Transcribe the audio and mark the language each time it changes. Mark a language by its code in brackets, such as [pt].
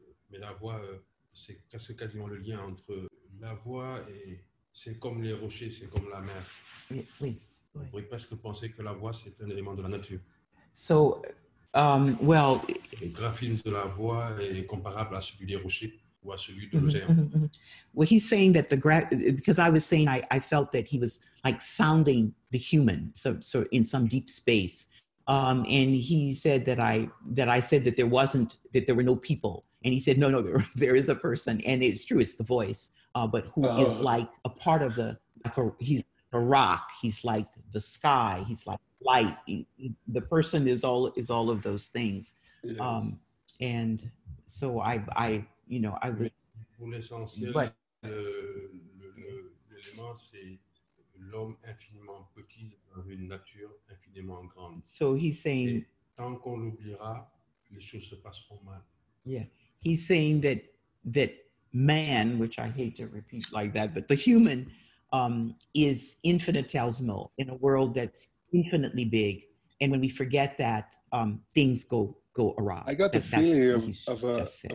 [fr] Mais la voix, c'est quasiment le lien entre la voix et c'est comme les rochers, c'est comme la mer. Oui. On pourrait presque penser que la voix, c'est un élément de la nature. [en] So, well... [fr] Le graphisme de la voix est comparable à celui des rochers ou à celui de l'océan. [en] Well, he's saying that because I was saying I felt that he was like sounding the human, so in some deep space. And he said that I said that there were no people. And he said, no, there is a person. And it's true, it's the voice. But who is like a part of he's a rock. He's like the sky. He's like light. The person is all of those things. Yes. And so I, you know, I was. [fr] Pour l'essentiel, but, l'élément, c'est l'homme infiniment petit dans une nature infiniment grande. [en] So he's saying. [fr] Et tant qu'on l'oubliera, les choses se passeront mal. [en] Yeah. He's saying that man, which I hate to repeat like that, but the human is infinitesimal in a world that's infinitely big. And when we forget that, things go awry. I got the feeling of a